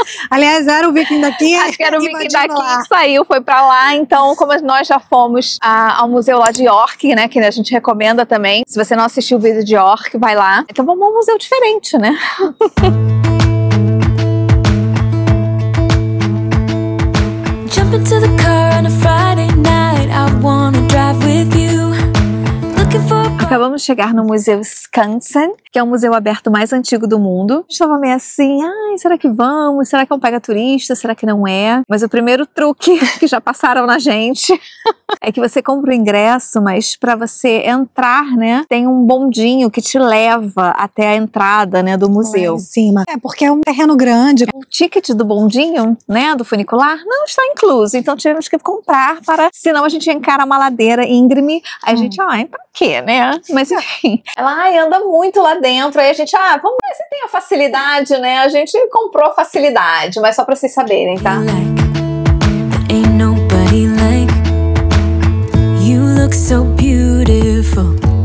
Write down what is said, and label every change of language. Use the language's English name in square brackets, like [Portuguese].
[Portuguese] Aliás, era o viking daqui? Acho que era o viking daqui lá. Que saiu, foi pra lá, então como nós já fomos ao museu lá de York, né, que a gente recomenda também, se você não assistiu o vídeo de York, vai lá. Então vamos a um museu diferente, né? [English] Jump into the car on a Friday night, I wanna drive with you. [Portuguese] Acabamos de chegar no Museu Skansen, que é o museu aberto mais antigo do mundo. A gente estava meio assim, ai, será que vamos? Será que é um pega turista? Será que não é? Mas o primeiro truque que já passaram na gente é que você compra o ingresso, mas para você entrar, né, tem um bondinho que te leva até a entrada, né, do museu. É, em cima. É, porque é um terreno grande. O ticket do bondinho, né, do funicular, não está incluso. Então tivemos que comprar para, senão a gente encara uma ladeira íngreme. Aí a gente, ó, pra quê, né? Mas enfim, ela anda muito lá dentro. Aí a gente, ah, vamos ver se tem a facilidade, né? A gente comprou a facilidade, mas só pra vocês saberem, tá? [English] Ain't nobody like you look so beautiful.